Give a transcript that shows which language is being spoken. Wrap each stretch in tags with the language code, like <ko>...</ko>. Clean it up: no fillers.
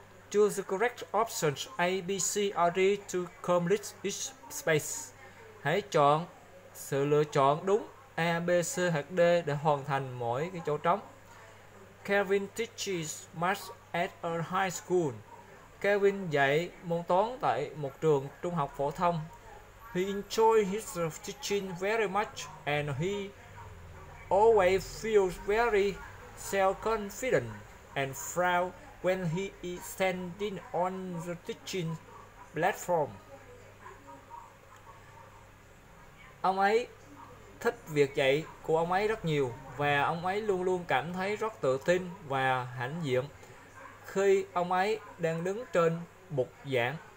<en>Choose the correct options A, B, C, or D to complete each space.</en> <vi>Hãy chọn sự lựa chọn đúng A, B, C hoặc D để hoàn thành mỗi cái chỗ trống.</vi> <en>Kevin teaches math at a high school.</en> <vi>Kevin dạy môn toán tại một trường trung học phổ thông.</vi> <en>He enjoys his teaching very much and he always feels very self-confident and proud when he is standing on the teaching platform.</en> <vi>Ông ấy thích việc dạy của ông ấy rất nhiều và ông ấy luôn luôn cảm thấy rất tự tin và hãnh diện khi ông ấy đang đứng trên bục giảng.</vi>